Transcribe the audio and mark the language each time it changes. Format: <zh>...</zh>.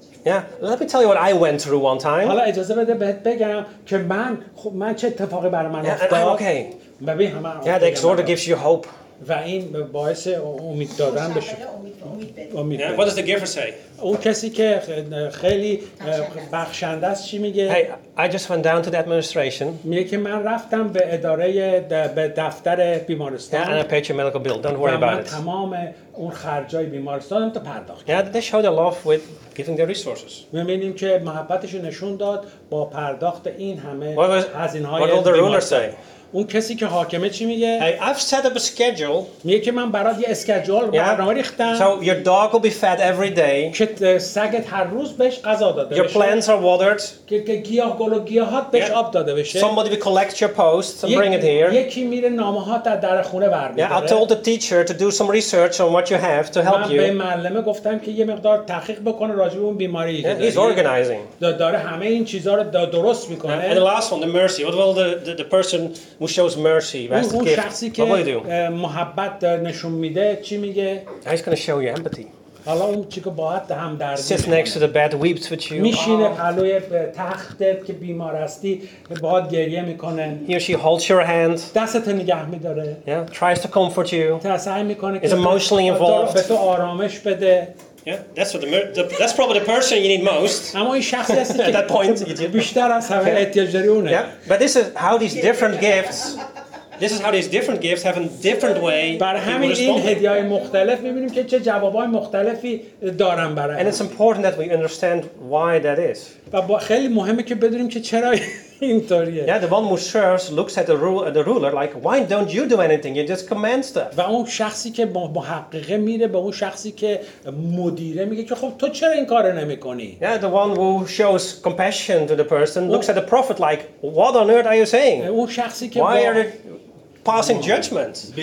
<en>Yeah, let me tell you what I went through one time.</en> <fa>حالا اجازه بده بهت بگم که من چه اتفاقی برای من افتاد.</fa> <en>Yeah, okay. Maybe I'm okay. Yeah, the exhorter gives you hope.</en> <fa>و این باعث امید دادن بشه. امید.</fa> <en>Yeah, what does the giver say?</en> <fa>اون کسی که خیلی بخشنده است چی میگه؟</fa> <en>Hey, I just went down to the administration.</en> <fa>میگه که من رفتم به اداره به دفتر بیمارستان.</fa> <en>Yeah, and I paid your medical bill. Don't worry about it.</en> <fa>من تمام اون خرجای بیمارستانم تو پرداخت.</fa> <en>Yeah, they showed a love with giving their resources.</en> <fa>می‌بینیم که محبتشون نشون داد با پرداخت این همه هزینه‌های.</fa> <en>What will the ruler say?</en> <fa>اون کسی که حاکمه چی میگه؟</fa> <en>Hey, I've set up a schedule.</en> <fa>میگه که من برات یه اسکیجول برنامه ریختم.</fa> <en>So your dog will be fed every day.</en> <fa>که سگت هر روز بهش غذا داده بشه.</fa> <en>Your plants are watered.</en> <fa>که گیاه گل و گیاهات بهش آب داده بشه.</fa> <en>Somebody will collect your posts and bring it here.</en> <fa>یکی میره نامه ها در خونه برمی‌داره.</fa> <en>Yeah, I told the teacher to do some research on what you have to help you.</en> <fa>من به معلمه گفتم که یه مقدار تحقیق بکنه راجع به اون بیماری.</fa> <en>He's organizing.</en> <fa>داره همه این چیزا رو درست میکنه.</fa> <en>And the last one, the mercy. What will the person who shows mercy, that's the gift. What will he do?</en> <fa>محبت نشون میده چی میگه؟</fa> <en>He's going to show you empathy.</en> <fa>حالا اون چی که باعث هم درد میشه.</fa> <en>Sits next to the bed, weeps with you.</en> <fa>میشینه پهلوی تختت که بیمار هستی، باعث گریه میکنه.</fa> <en>He or she holds your hand.</en> <fa>دستت نگه میداره.</fa> <en>Yeah. Tries to comfort you.</en> <fa>سعی میکنه.</fa> <en>Is emotionally involved.</en> <fa>به تو آرامش بده.</fa> <en>Yeah, that's what that's probably the person you need most.</en> <fa>اما این شخصی هست که</fa> <en>at that point you do</en> <fa>بیشتر از همه احتیاج داری اونه.</fa> <en>Yeah, but this is how these different gifts. This is how these different gifts have a different way.</en> <fa>برای همین این هدیه‌های مختلف می‌بینیم که چه جواب‌های مختلفی دارن برای.</fa> <en>And it's important that we understand why that is.</en> <fa>و خیلی مهمه که بدونیم که چرا اینطوریه.</fa> <en>Yeah, the one who serves looks at the ruler like, why don't you do anything? You just command stuff.</en> <fa>و اون شخصی که محققه میره به اون شخصی که مدیره میگه که خب تو چرا این کارو نمی‌کنی؟</fa> <en>Yeah, the one who shows compassion to the person looks at the prophet like, what on earth are you saying?</en> <fa>اون شخصی که</fa> <en>why are passing judgment.</en>